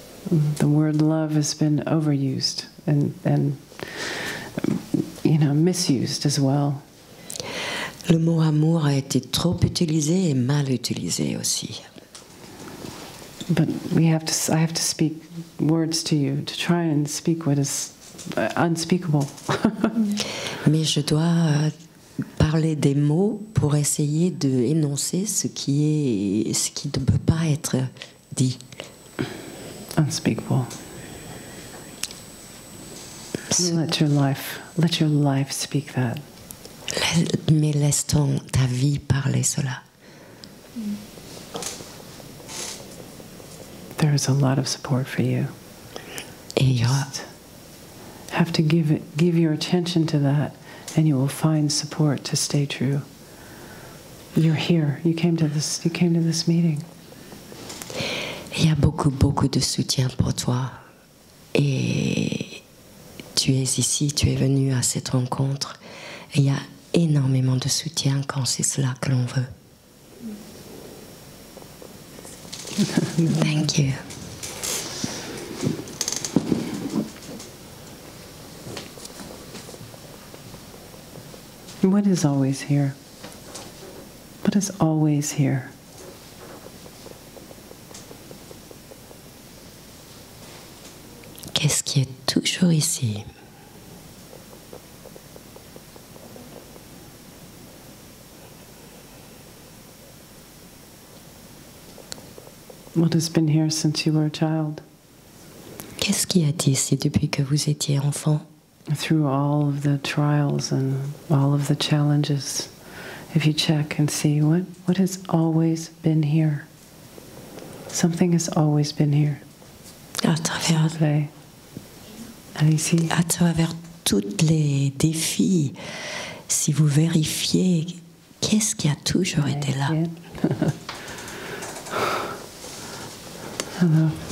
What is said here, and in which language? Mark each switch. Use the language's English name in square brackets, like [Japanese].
[English] The word love has been overused and you know, misused as well. [French] Le mot amour a été trop utilisé et mal utilisé aussi. [English] But we have to, I have to speak words to you to try and speak what is unspeakable. [French] Mais je dois parler des mots pour essayer de énoncer ce qui ne peut pas être dit. [English] Unspeakable. Let your life speak that. [French] Mais laisse ton ta vie parler cela. [English] There is a lot of support for you. Et you have to give your attention to that, and you will find support to stay true. You're here. You came to this meeting. [French] Il y a beaucoup de soutien pour toi, et tu es ici. Tu es venu à cette rencontre. Il y a énormément de soutien quand c'est cela que l'on veut. [English] Thank you. What is always here? What is always here? [French] Qu'est-ce qui est toujours ici? [English] What has been here since you were a child? [French] Qu'est-ce qui a été ici depuis que vous étiez enfant? [English] Through all of the trials and all of the challenges, if you check and see what has always been here, something has always been here. [French] À travers toutes les défis, si vous vérifiez, qu'est-ce qui a toujours été là? [English] Hello.